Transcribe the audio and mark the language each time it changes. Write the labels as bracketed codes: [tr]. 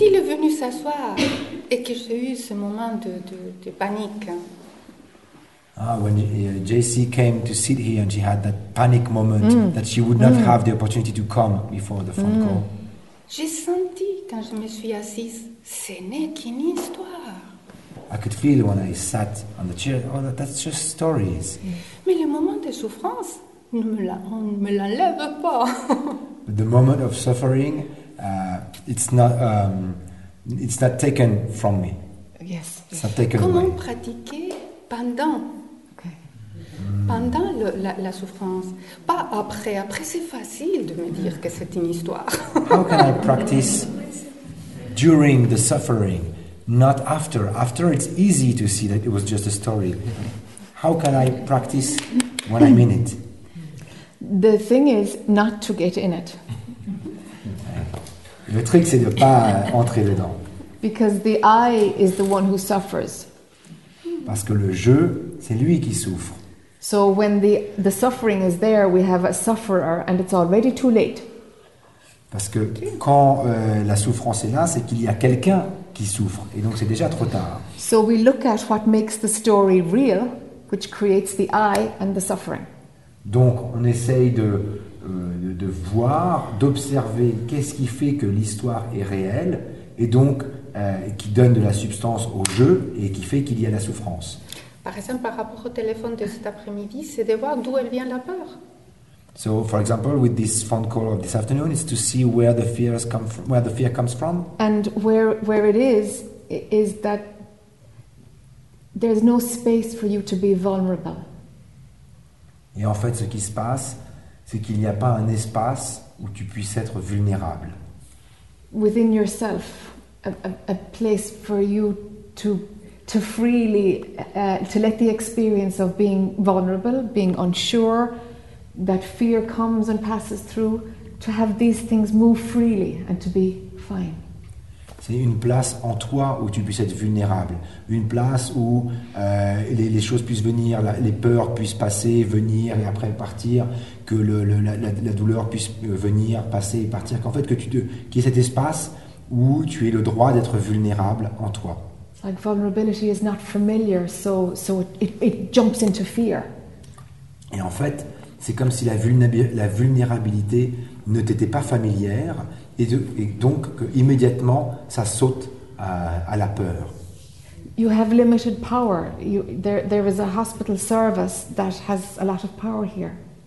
[fr] Il est venu s'asseoir et que j'ai eu ce moment de panique. [en] Ah, when JC came to sit here and she had that panic moment that she would not have the opportunity to come before the phone call. [fr] J'ai senti quand je me suis assise, ce n'est qu'une histoire. [en] I could feel when I sat on the chair, that's just stories. [fr] Mais le moment de souffrance. On ne me l'enlève pas. [en] The moment of suffering, it's not taken from me. Yes. It's not taken [fr] comment [en] away. [fr] Pratiquer pendant? [en] Okay. [fr] pendant la souffrance, pas après. Après, c'est facile de me dire que c'est une histoire. [en] How can I practice during the suffering, not after? After, it's easy to see that it was just a story. How can I practice when I'm in it? The thing is not to get in it. [fr] Le truc, c'est de pas entrer dedans. [en] Because the I is the one who suffers. [fr] Parce que le je, c'est lui qui souffre. [en] So when the suffering is there, we have a sufferer, and it's already too late. [fr] Parce que quand la souffrance est là, c'est qu'il y a quelqu'un qui souffre, et donc c'est déjà trop tard. [en] So we look at what makes the story real, which creates the I and the suffering. [fr] Donc on essaye de voir, d'observer qu'est-ce qui fait que l'histoire est réelle, et donc qui donne de la substance au jeu et qui fait qu'il y a la souffrance. Par exemple, par rapport au téléphone de cet après-midi, c'est de voir d'où elle vient la peur. [en] So, for example, with this phone call of this afternoon, it's to see where the fears come from, where the fear comes from. And where it is that there's no space for you to be vulnerable. [fr] Et en fait, ce qui se passe, c'est qu'il n'y a pas un espace où tu puisses être vulnérable. [en] Within yourself. A place for you to freely to let the experience of being vulnerable, being unsure, that fear comes and passes through, to have these things move freely and to be fine. [fr] C'est une place en toi où tu puisses être vulnérable, une place où les choses puissent venir, les peurs puissent passer, venir et après partir, que la douleur puisse venir, passer et partir, qu'en fait qu'il y ait cet espace où tu aies le droit d'être vulnérable en toi. [en] Like vulnerability is not familiar, so it jumps into fear. [fr] Et en fait, c'est comme si la vulnérabilité ne t'était pas familière, et donc immédiatement ça saute à la peur. [en] You have limited power. There is a hospital service that has a lot of power here.